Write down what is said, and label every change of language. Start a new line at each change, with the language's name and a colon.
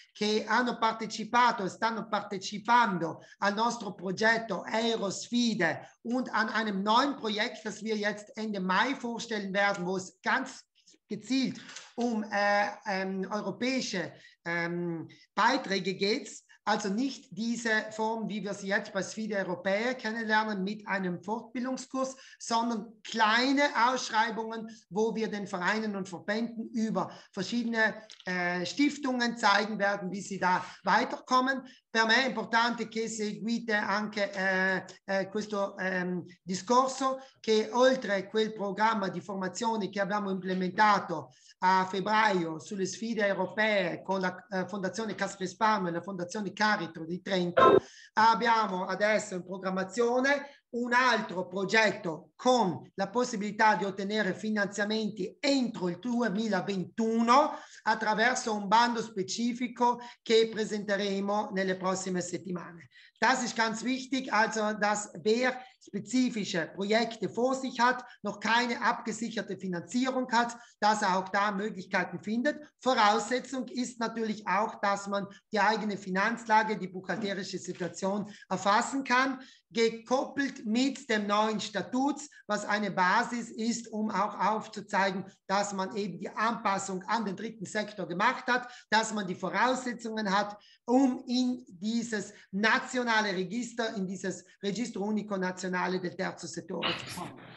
Italian: che hanno partecipato e stanno partecipando al nostro progetto Eurosfide
German: und an einem neuen Projekt, das wir jetzt Ende Mai vorstellen werden, wo es ganz gezielt um europäische Beiträge geht. Also nicht diese Form, wie wir sie jetzt bei Sfide Europäer kennenlernen, mit einem Fortbildungskurs, sondern kleine Ausschreibungen, wo wir den Vereinen und Verbänden über verschiedene Stiftungen zeigen werden, wie sie da weiterkommen.
Italian: Per me è importante che seguite anche questo discorso, che oltre quel programma di formazione che abbiamo implementato a febbraio sulle sfide europee con la Fondazione Cassa Risparmio e la Fondazione Carito di Trento, abbiamo adesso in programmazione un altro progetto con la possibilità di ottenere finanziamenti entro il 2021 attraverso un bando specifico che presenteremo nelle prossime settimane.
German: Das ist ganz wichtig, also dass wer spezifische Projekte vor sich hat, noch keine abgesicherte Finanzierung hat, dass er auch da Möglichkeiten findet. Voraussetzung ist natürlich auch, dass man die eigene Finanzlage, die buchhalterische Situation erfassen kann, gekoppelt mit dem neuen Statut, was eine Basis ist, um auch aufzuzeigen, dass man eben die Anpassung an den dritten Sektor gemacht hat, dass man die Voraussetzungen hat, um in dieses nationale Register, in dieses Registro Unico Nazionale del Terzo Settore zu kommen.